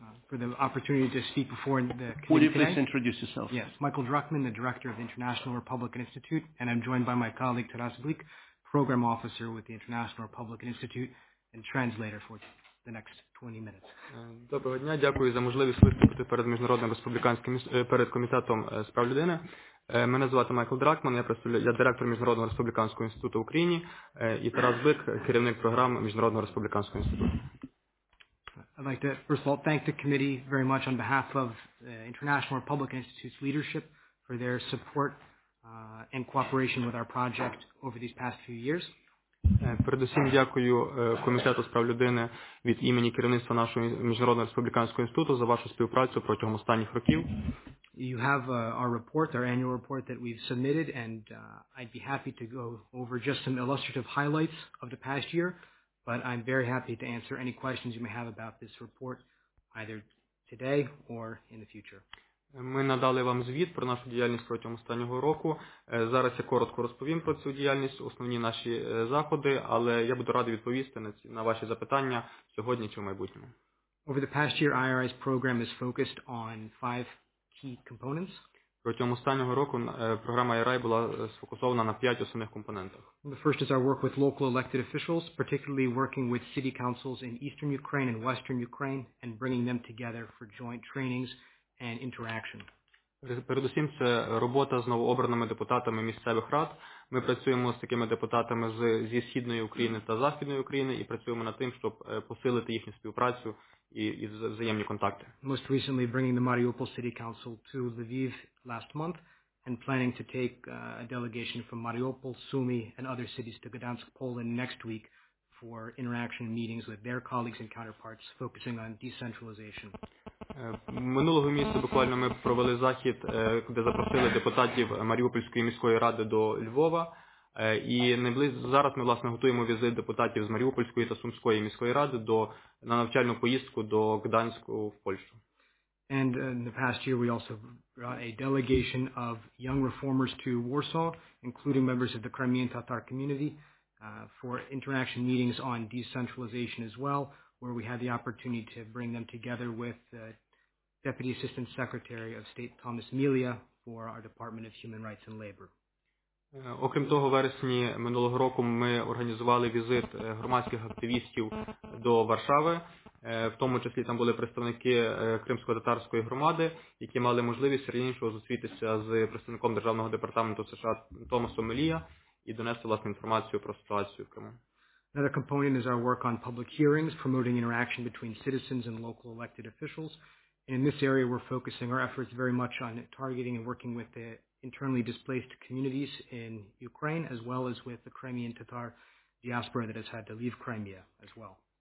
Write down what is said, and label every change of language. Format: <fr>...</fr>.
<en>For the opportunity to speak before the committee. Would you today. Please introduce yourself? Yes, Michael Druckmann, the director of the International Republican Institute, and I'm joined by my colleague Taras Glik, program officer with the International Republican Institute and translator for the next 20 minutes.</en> <uk>Доброго дня, дякую за можливість виступити перед міжнародним республіканським перед комітетом з прав людини. Мене звати Майкл Дракман, я директор Міжнародного республіканського інституту в Україні, і Тарас Глик, керівник програм Міжнародного республіканського інституту.</uk> <en>I'd like to, first of all, thank the committee very much on behalf of the International Republican Institute's leadership for their support and cooperation with our project over these past few years.</en> <uk>Передусім дякую Комітету з прав людини від імені керівництва нашого Міжнародного республіканського інституту за вашу співпрацю протягом останніх років.</uk> <en>You have our report, our annual report that we've submitted, and I'd be happy to go over just some illustrative highlights of the past year. But I'm very happy to answer any questions you may have about this report, either today or in the future.</en> <uk>Ми надали вам звіт про нашу діяльність протягом останнього року. Зараз я коротко розповім про цю діяльність, основні наші заходи, але я буду радий відповісти на ваші запитання сьогодні чи в майбутньому.</uk> <en>Over the past year, IRI's program is focused on five key components.</en> <uk>Протягом останнього року програма IRI була сфокусована на п'ять основних компонентах.</uk> <en>The first is our work with local elected officials, particularly working with city councils in eastern Ukraine and western Ukraine, and bringing them together for joint trainings and interaction.</en> <uk>Передусім, це робота з новообраними депутатами місцевих рад. Ми працюємо з такими депутатами зі Східної України та Західної України і працюємо над тим, щоб посилити їхню співпрацю і взаємні контакти.</uk> <en>Most recently bringing the Mariupol City Council to Lviv last month and planning to take a delegation from Mariupol, Sumy and other cities to Gdansk, Poland next week for interaction and meetings with their colleagues and counterparts focusing on decentralization.</en> <uk>Минулого місяця буквально ми провели захід, де запросили депутатів Маріупольської міської ради до Львова. І зараз ми, власне, готуємо візит депутатів з Маріупольської та Сумської міської ради на навчальну поїздку до Гданську в Польщу.</uk> <en>And in the past year we also brought a delegation of young reformers to Warsaw, including members of the Crimean Tatar community, for interaction meetings on decentralization as well, where we had the opportunity to bring them together with Deputy Assistant Secretary of State Thomas Milia for our Department of Human Rights and Labor.</en> <uk>Окрім того, у вересні минулого року ми організували візит громадських активістів до Варшави, в тому числі там були представники кримсько-татарської громади, які мали можливість раніше зустрітися з представником Державного департаменту США Томасом Мелія і донести власну інформацію про ситуацію в Криму.</uk> <en>Another component is our work on public hearings, promoting interaction between citizens and local elected officials. And in this area we're focusing our efforts very much on targeting and working with the internally displaced communities in Ukraine, as well as with the Crimean Tatar diaspora that has had to leave Crimea as well.</en>